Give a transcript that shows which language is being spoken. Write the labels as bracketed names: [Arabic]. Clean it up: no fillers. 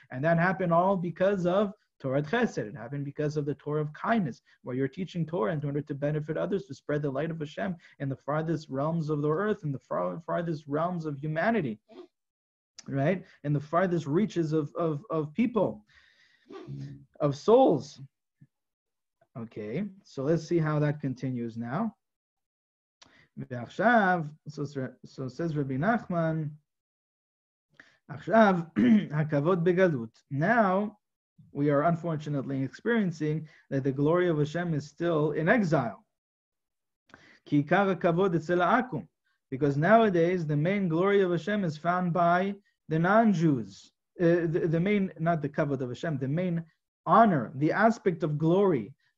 [English] And that happened all because of Torah Chesed. It happened because of the Torah of kindness, where you're teaching Torah in order to benefit others, to spread the light of Hashem in the farthest realms of the earth, in the farthest realms of humanity, right? In the farthest reaches of people, of souls. Okay, so let's see how that continues now. [Hebrew] ועכשיו, [English] so says Rabbi Nachman, [Hebrew] עכשיו, הכבוד בגלות. [English] Now, we are unfortunately experiencing that the glory of Hashem is still in exile. [Hebrew] כי עיקר הכבוד אצל העקום. [English] Because nowadays, the main glory of Hashem is found by the non-Jews. The main, not the kavod of Hashem, the main honor, the aspect of glory.